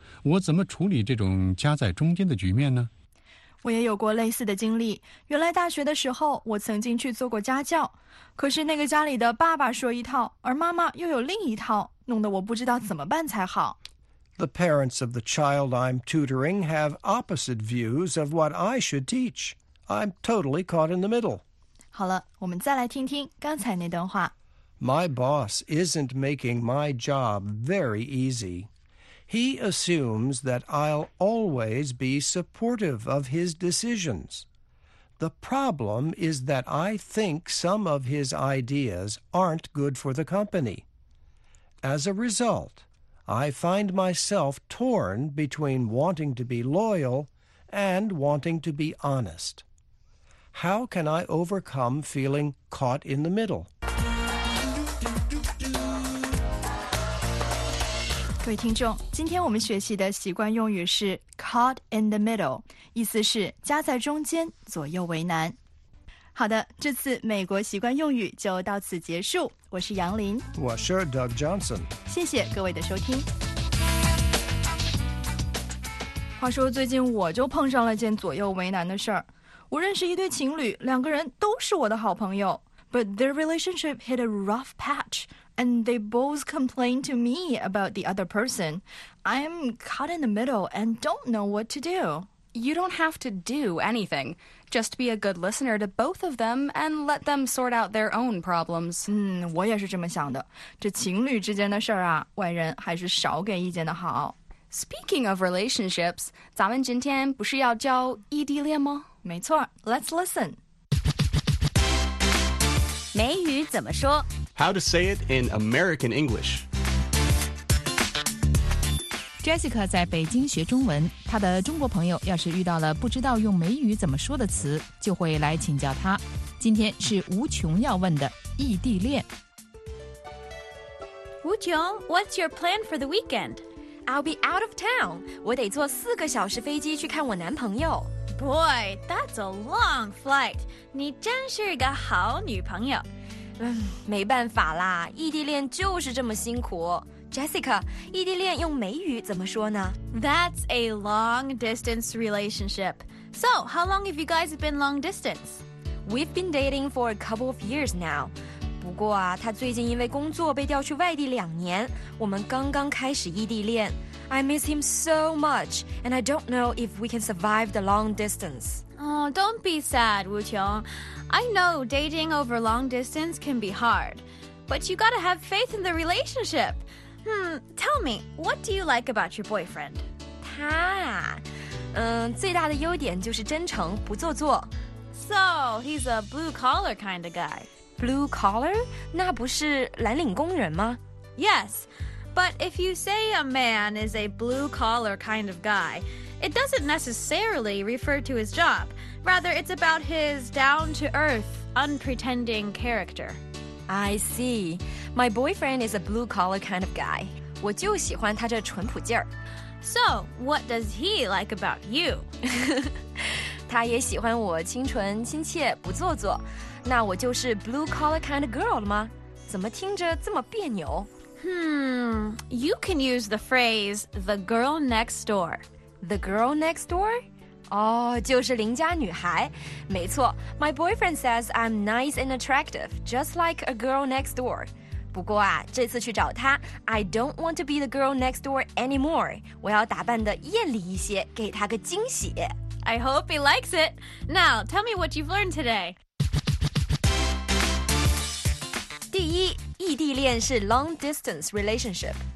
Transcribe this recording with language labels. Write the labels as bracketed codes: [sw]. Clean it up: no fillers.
[zh] 我怎么处理这种夹在中间的局面呢？我也有过类似的经历。原来大学的时候，我曾经去做过家教，可是那个家里的爸爸说一套，而妈妈又有另一套，弄得我不知道怎么办才好。 [en] The parents of the child I'm tutoring have opposite views of what I should teach. I'm totally caught in the middle. [zh] 好了，我们再来听听刚才那段话。 [en] My boss isn't making my job very easy. He assumes that I'll always be supportive of his decisions. The problem is that I think some of his ideas aren't good for the company. As a result... I find myself torn between wanting to be loyal and wanting to be honest. How can I overcome feeling caught in the middle? [zh] 各位听众，今天我们学习的习惯用语是 caught in the middle， 意思是夹在中间，左右为难。好的，这次美国习惯用语就到此结束。我是杨林，我是 Doug Johnson。谢谢各位的收听。话说最近我就碰上了件左右为难的事儿。我认识一对情侣，两个人都是我的好朋友 [en] ，but their relationship hit a rough patch， and they both complain to me about the other person. I'm caught in the middle and don't know what to do. You don't have to do anything. Just be a good listener to both of them and let them sort out their own problems. [zh] 我也是这么想的。这情侣之间的事儿啊，外人还是少给意见的好。 [en] Speaking of relationships, [zh] 咱们今天不是要教异地恋吗？没错， [en] let's listen. [zh] 美语怎么说？ [en] How to say it in American English. [zh] Jessica 在北京学中文，她的中国朋友要是遇到了不知道用美语怎么说的词，就会来请教她。今天是吴琼要问的异地恋。 [en] 吴琼， What's your plan for the weekend? I'll be out of town. [zh] 我得坐四个小时飞机去看我男朋友。 [en] Boy, that's a long flight. [zh] 你真是一个好女朋友。没办法啦，异地恋就是这么辛苦。 Jessica, 异地恋用美语怎么说呢? [en] That's a long-distance relationship. So, how long have you guys been long-distance? We've been dating for a couple of years now. [zh] 不过啊，他最近因为工作被调去外地两年，我们刚刚开始异地恋。 [en] I miss him so much, and I don't know if we can survive the long distance. Oh, don't be sad, Wu Qiong. I know dating over long distance can be hard, but you gotta have faith in the relationship.Tell me, what do you like about your boyfriend? [zh] 他他啊，最大的优点就是真诚，不做作。 [en] So, he's a blue-collar kind of guy. [zh] Blue-collar? 那不是蓝领工人吗？ [en] Yes, but if you say a man is a blue-collar kind of guy, it doesn't necessarily refer to his job. Rather, it's about his down-to-earth, unpretending character. I see. My boyfriend is a blue-collar kind of guy. [zh] 我就喜欢他这淳朴劲儿。 [en] So, what does he like about you? [zh] 他也喜欢我清纯亲切不做作，那我就是 [en] blue collar kind of girl [zh] 了吗？怎么听着这么别扭？ [en] You can use the phrase the girl next door. The girl next door? [zh] 就是邻家女孩。没错， [en] my boyfriend says I'm nice and attractive, just like a girl next door. [zh] 不过啊，这次去找他 [en] I don't want to be the girl next door anymore. [zh] 我要打扮得艳丽一些，给他个惊喜。 [en] I hope he likes it. Now, tell me what you've learned today. [zh] 第一，异地恋是 long distance relationship.